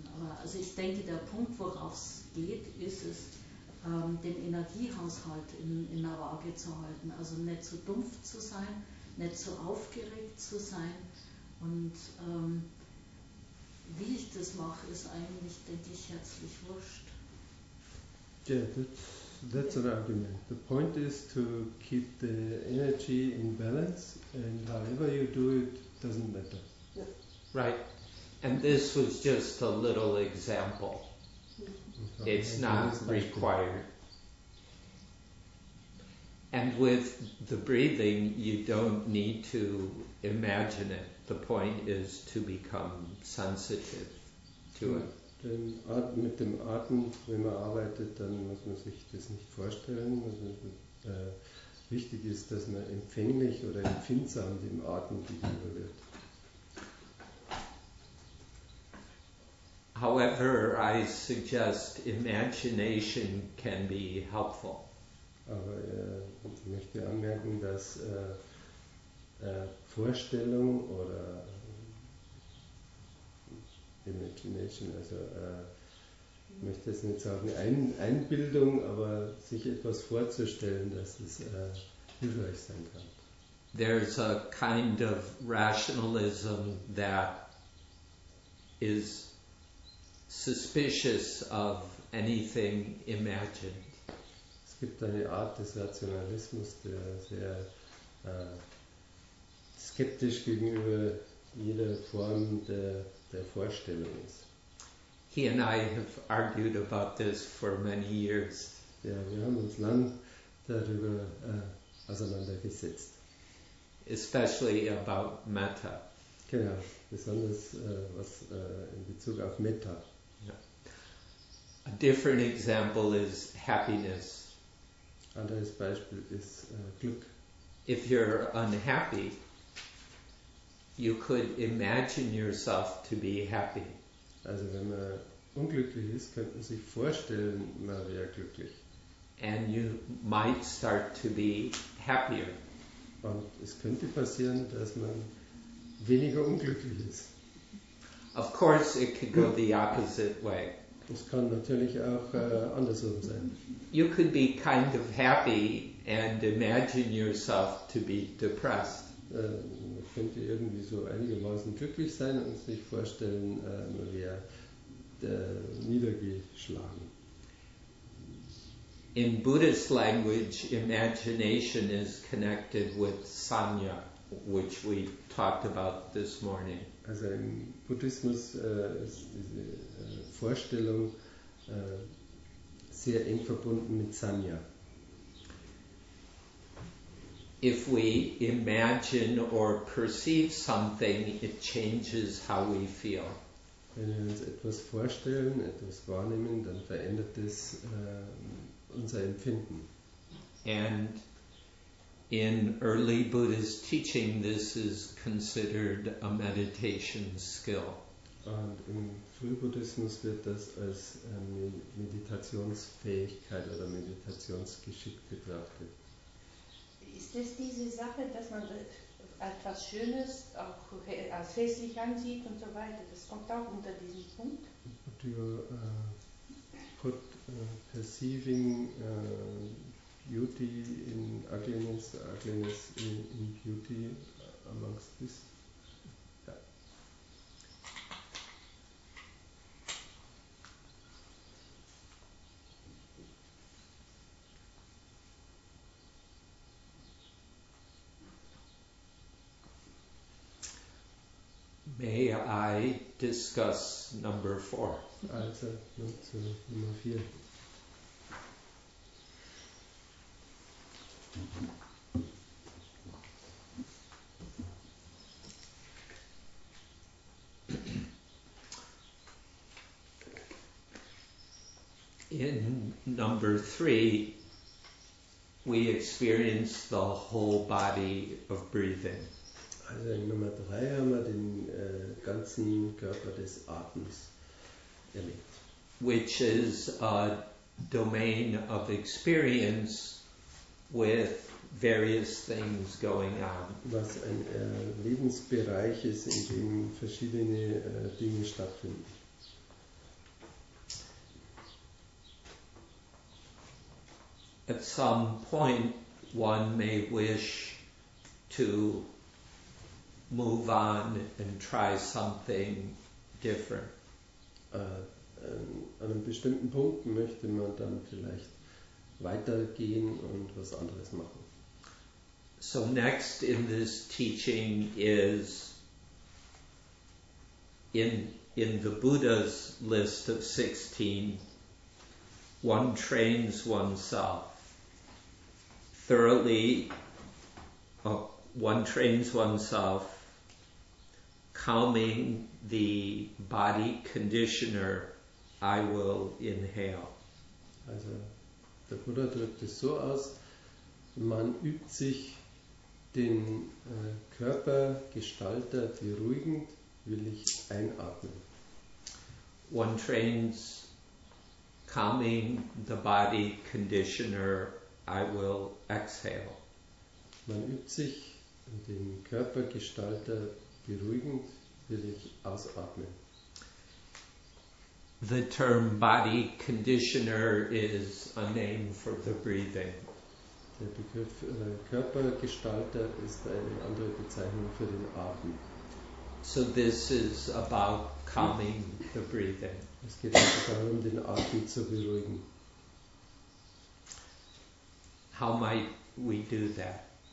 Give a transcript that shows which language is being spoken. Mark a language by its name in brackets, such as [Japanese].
[German] Aber also ich denke, der Punkt, worauf es geht, ist es, den Energiehaushalt in der Waage zu halten, also nicht zu dumpf zu sein, nicht zu aufgeregt zu sein. Und wie ich das mache, ist eigentlich, denke ich, herzlich wurscht. Ja, das [English] that's an argument. The point is to keep the energy in balance, and however you do it, doesn't matter. Yeah. Right. And this was just a little example. It's not required. And with the breathing, you don't need to imagine it. The point is to become sensitive to it. [German] Denn mit dem Atem, wenn man arbeitet, dann muss man sich das nicht vorstellen. Also, wichtig ist, dass man empfänglich oder empfindsam dem Atem gegenüber wird. [English] However, I suggest imagination can be helpful. [German] Aber ich möchte anmerken, dass Vorstellung oder Imagination, also ich möchte jetzt nicht sagen Einbildung, aber sich etwas vorzustellen, dass es hilfreich sein kann. [English] There's a kind of rationalism that is suspicious of anything imagined. [German] Es gibt eine Art des Rationalismus, der sehr skeptisch gegenüber jeder Form der Vorstellung ist. [English] He and I have argued about this for many years. [German] Ja, wir haben uns lang darüber auseinandergesetzt. [English] Especially about Metta. [German] Genau, besonders was in Bezug auf Metta. [English] A different example is happiness. [German] Anderes Beispiel ist Glück. [English] If you're unhappy, you could imagine yourself to be happy. [German] Also wenn man unglücklich ist, könnte man sich vorstellen, man wäre glücklich. [English] And you might start to be happier. [German] Und es könnte passieren, dass man weniger unglücklich ist. [English] Of course, it could go the opposite way. [German] Es kann natürlich auch andersrum sein. [English] You could be kind of happy and imagine yourself to be depressed. [German] Man könnte irgendwie so einigermaßen glücklich sein und sich vorstellen, man wäre niedergeschlagen. [English] In Buddhist language, imagination is connected with sanya, which we talked about this morning. [German] Also im Buddhismus ist diese Vorstellung sehr eng verbunden mit Sanya. [English] If we imagine or perceive something, it changes how we feel. [German] Wenn wir uns etwas vorstellen, etwas wahrnehmen, dann verändert es unser Empfinden. [English] And in early Buddhist teaching, this is considered a meditation skill. [German] Und im Frühbuddhismus wird das als Meditationsfähigkeit oder Meditationsgeschick betrachtet. Ist das diese Sache, dass man etwas Schönes auch als festlich ansieht und so weiter? Das kommt auch unter diesen Punkt? [English] Would you put perceiving beauty in ugliness, ugliness in beauty amongst this? May I discuss number four? [German] Also, Nummer vier. [English] In number three, we experience the whole body of breathing. [German] Also in Nummer 3 haben wir den ganzen Körper des Atems erlebt. [English] Which is a domain of experience with various things going on. [German] Was ein Lebensbereich ist, in dem verschiedene Dinge stattfinden. [English] At some point one may wish to move on and try something different. [German] An einem bestimmten Punkt möchte man dann vielleicht weitergehen und was anderes machen. [English] So next in this teaching is in the Buddha's list of 16, one trains oneself thoroughly, one trains oneself calming the body conditioner, I will inhale. [German] Also, der Buddha drückt es so aus, man übt sich den Körpergestalter beruhigend, will ich einatmen. [English] One trains calming the body conditioner, I will exhale. [German] Man übt sich den Körpergestalter beruhigend, will ich ausatmen. [English] The term body conditioner is a name for the breathing. [German] Der Begriff Körpergestalter ist eine andere Bezeichnung für den Atem. [English] So this is about calming the breathing. [German] Es geht also darum, den Atem zu beruhigen. [English] How might we do that?